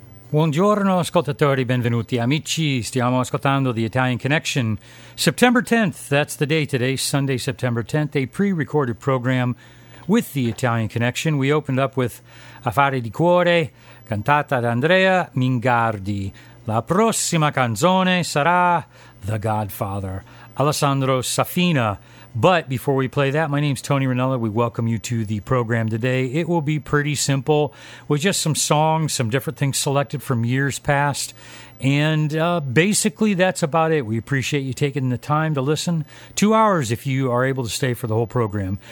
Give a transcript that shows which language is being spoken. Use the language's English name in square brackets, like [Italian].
[Italian] Buongiorno ascoltatori, benvenuti amici, stiamo ascoltando The Italian Connection. [English] September 10th, that's the day today, Sunday, September 10th, a pre-recorded program with The Italian Connection. We opened up with Affari di Cuore, [Italian] cantata da [English] Andrea Mingardi. [Italian] La prossima canzone sarà The Godfather, Alessandro Safina. [English] But before we play that, my name's Tony Rinella. We welcome you to the program today. It will be pretty simple with just some songs, some different things selected from years past. And basically, that's about it. We appreciate you taking the time to listen. 2 hours if you are able to stay for the whole program.